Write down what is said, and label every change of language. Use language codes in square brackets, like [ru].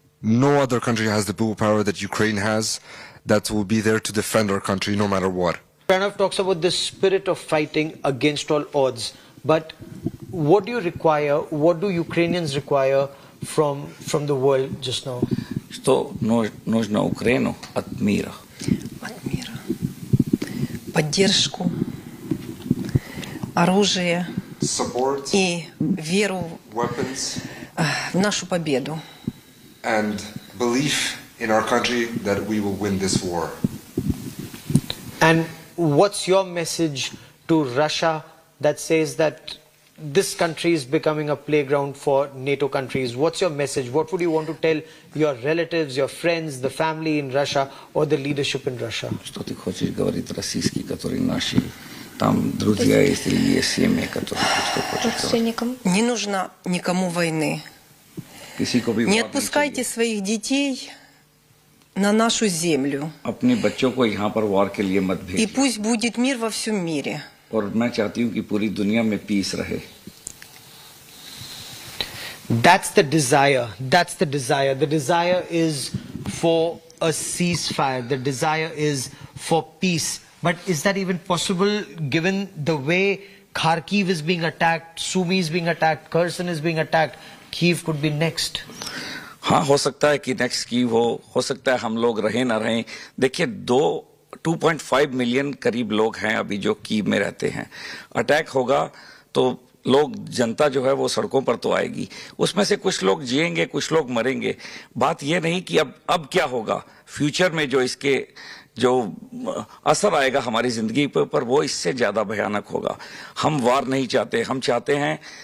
[en] No other country has the willpower that Ukraine has, that will be there to defend our country no matter what. Pranav talks about the spirit of fighting against all odds. But what do you require, what do Ukrainians require from the world just now? [ru] Что нужно Украину от мира? От мира. Поддержку, оружие, [en] support, [ru] и веру [en] weapons, [ru] в нашу победу. [en] And belief in our country that we will win this war. And what's your message to Russia that says that this country is becoming a playground for NATO countries? What's your message? What would you want to tell your relatives, your friends, the family in Russia, or the leadership in Russia? [ru] Что ты хочешь говорить российский, который наши там друзья есть, и семьи, которые родственникам? Не нужно никому войны. Не отпускайте своих детей на нашу землю. [hi] Апни баччо ко яхан пар вар ке лие мат бхеджи. [ru] И пусть будет мир во всем мире. [hi] Ор мэн чахти ху ки пури дуния ме пис рахе. [en] That's the desire. That's the desire. The desire is for a ceasefire. The desire is for peace. But is that even possible given the way Kharkiv is being attacked, Sumy is being attacked, Kherson is being attacked, Kyiv could be next? [hi] हाँ, हो सकता है कि next की हो सकता है हम लोग रहें ना रहें. देखिए, 2.5 मिलियन करीब लोग हैं अभी जो कीव में रहते हैं. अटैक होगा तो लोग जनता जो है वो सड़कों पर तो आएगी उसमें से कुछ लोग जिएंगे कुछ लोग मरेंगे बात ये नहीं कि अब क्या होगा फ्यूचर में जो इसके जो असर आएगा हमारी जिंदगी पर वो इससे ज्यादा भयानक होगा हम वार नहीं चाहते हम चाहते हैं